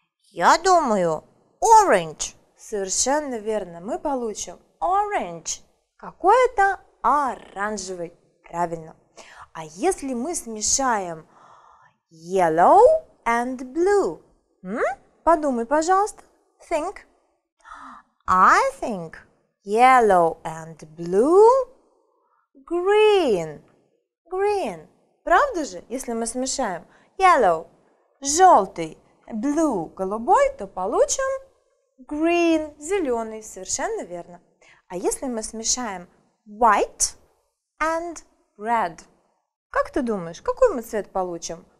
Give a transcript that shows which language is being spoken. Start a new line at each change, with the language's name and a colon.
Russian: Я думаю...
English: Orange.
Russian: Совершенно верно. Мы получим orange. Какой-то оранжевый. Правильно. А если мы смешаем
English: yellow and blue?
Russian: Подумай, пожалуйста.
English: Think. I think yellow and blue green. Green.
Russian: Правда же, если мы смешаем yellow, желтый, blue, голубой, то получим... Green, зеленый, совершенно верно. А если мы смешаем
English: white and red?
Russian: Как ты думаешь, какой мы цвет получим?